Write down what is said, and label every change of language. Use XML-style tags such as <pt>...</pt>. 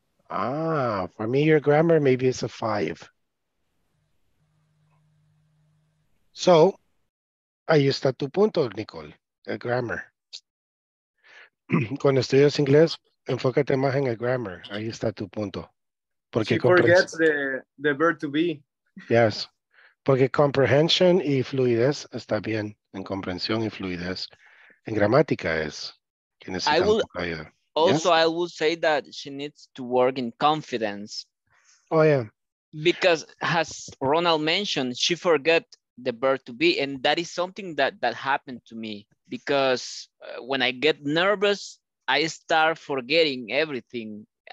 <en>Ah, for me, your grammar maybe is a 5.</en> <es>So, ahí está tu punto, Nicole, el grammar. Cuando estudias inglés, enfócate más en el grammar. Ahí está tu punto.</es> <en>Porque she forgets the verb to be.</en> <es>Yes, porque comprehension y fluidez está bien. En comprensión y fluidez. En gramática es que necesita un poco ayuda.</es> <en>Also, yes? I would say that she needs to work in confidence. Oh, yeah. Because as Ronald mentioned, she forget the verb to be. And that is something that happened to me. Because when I get nervous, I start forgetting everything.</en>